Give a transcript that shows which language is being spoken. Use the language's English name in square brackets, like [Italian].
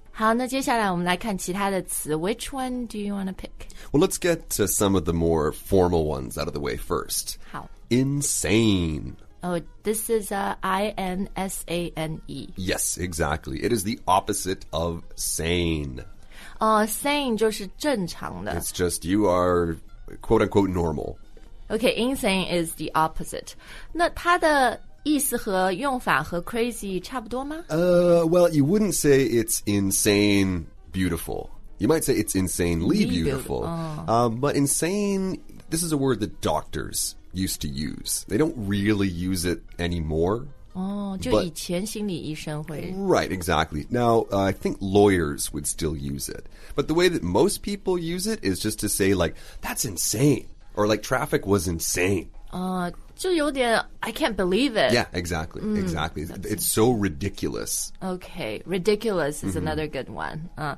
[Chinese] 好,那接下来我们来看其他的词。 [English] Which one do you want to pick? Well, let's get to some of the more formal ones out of the way first. [Chinese] 好。 [English] Insane. Oh, this is I-N-S-A-N-E. Yes, exactly. It is the opposite of sane. [Chinese] Sane 就是正常的。 [English] It's just you are, quote-unquote, normal. Okay, insane is the opposite. [Chinese] 那它的意思和用法和 crazy 差不多吗？ [English] Well, you wouldn't say it's insane beautiful. You might say it's insanely beautiful. But insane, this is a word that doctors used to use. They don't really use it anymore. [Chinese] Oh, 就以前心理医生会。 [English] Right, exactly. Now, I think lawyers would still use it. But the way that most people use it is just to say, like, that's insane. Or like traffic was insane. [Chinese] 就有点 [English] I can't believe it. Yeah, exactly, exactly. It's so ridiculous. Okay, ridiculous is another good one.